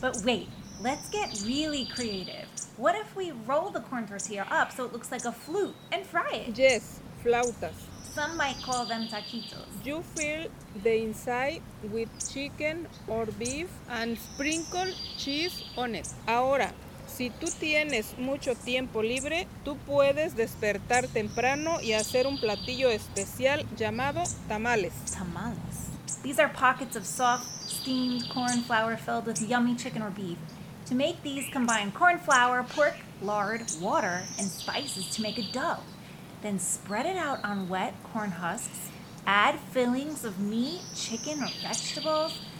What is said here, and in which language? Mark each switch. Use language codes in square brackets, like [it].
[en] But wait, let's get really creative. What if we roll the corn tortilla up so it looks like a flute and fry it? Yes, flautas. Some might call them taquitos. You fill the inside with chicken or beef and sprinkle cheese on it. [es] Ahora, si tú tienes mucho tiempo libre, tú puedes despertar temprano y hacer un platillo especial llamado tamales. Tamales. [en] These are pockets of soft, steamed corn flour filled with yummy chicken or beef. To make these, combine corn flour, pork, lard, water, and spices to make a dough. Then spread it out on wet corn husks. Add fillings of meat, chicken, or vegetables.